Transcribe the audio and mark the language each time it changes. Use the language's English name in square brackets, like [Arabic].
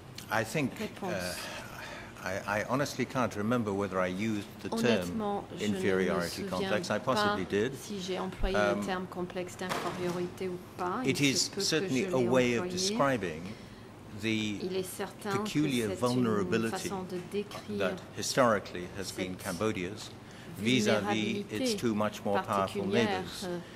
[English] I think I honestly can't remember whether I used the term inferiority complex. I possibly did. [French] Si j'ai employé le terme complexe d'infériorité ou pas. [English] It is certainly a way of describing the peculiar vulnerability that historically has been Cambodia's vis-à-vis its two much more powerful neighbors.